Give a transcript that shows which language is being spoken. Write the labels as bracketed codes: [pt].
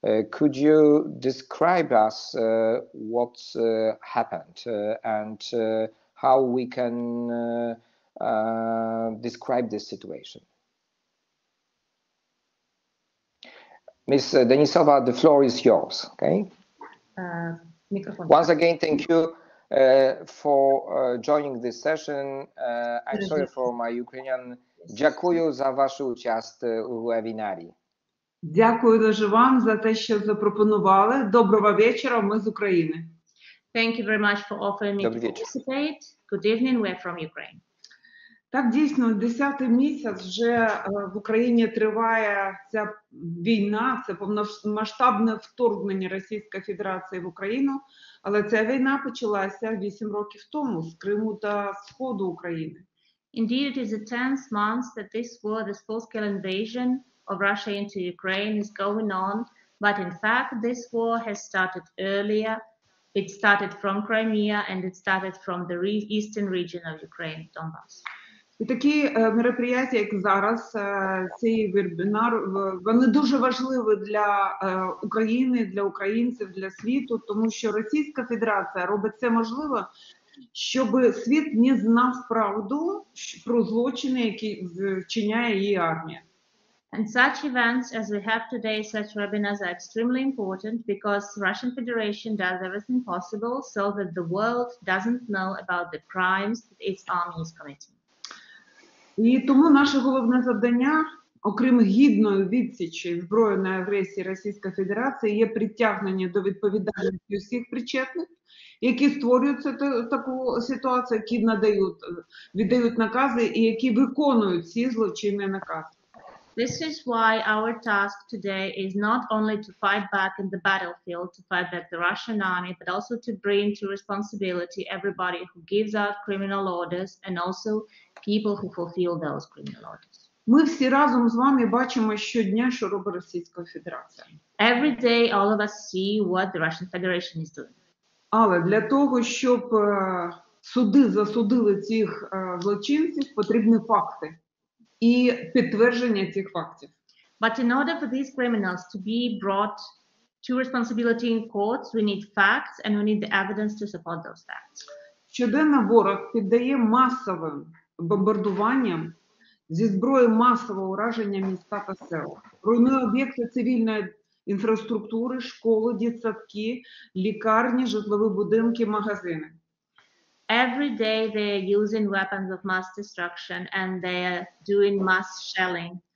[en] Could you describe us what happened and how we can describe this situation? Ms. Denisova, the floor is yours, okay? Microphone. Once again, thank you for joining this session. I'm sorry for my Ukrainian. [uk] Дякую за вашу участь у вебінарі. Дякую дуже вам за те, що запропонували. Доброго вечора, ми з України. [en] Thank you very much for offering me to participate. Good evening, we're from Ukraine. [uk] Так, дійсно, 10-й місяць вже в Україні триває ця війна, це повномасштабне вторгнення Російської Федерації в Україну, але ця війна почалася 8 років тому з Криму та Сходу України. [en] Indeed, it is a 10th month that this war, this full-scale invasion of Russia into Ukraine is going on, but in fact this war has started earlier. It started from Crimea and it started from the eastern region of Ukraine, Donbas. [uk] І такі мероприятия, як зараз, цей вебінар, вони дуже важливі для України, для українців, для світу, тому що Російська Федерація робить все можливе, щоб світ не знав правду про злочини, які вчиняє її армія. [en] And such events as we have today, such webinars are extremely important because Russian Federation does everything possible so that the world doesn't know about the crimes that its army is committing. [uk] І тому наше головне завдання, окрім гідної відсічі збройної агресії Російської Федерації, є притягнення до відповідальності усіх причетних, які створюють таку ситуацію, які віддають накази і які виконують ці злочинні накази. [en] This is why our task today is not only to fight back in the battlefield, to fight back the Russian army, but also to bring to responsibility everybody who gives out criminal orders and also people who fulfill those criminal orders. [uk] Ми всі разом з вами бачимо щодня, що робить Російська Федерація. [en] Every day all of us see what the Russian Federation is doing. [uk] Але для того, щоб суди засудили цих злочинців, потрібні факти і підтвердження цих фактів. [en] But in order for these criminals to be brought to responsibility in courts, we need facts and we need the evidence to support those facts. [uk] Щоденно ворог піддає масовим бомбардуванням зі зброєю масового ураження міста та села. Руйнує об'єкти цивільної інфраструктури, школи, дитсадки, лікарні, житлові будинки, магазини. [en] Every day they are using weapons of mass destruction and they are doing mass shelling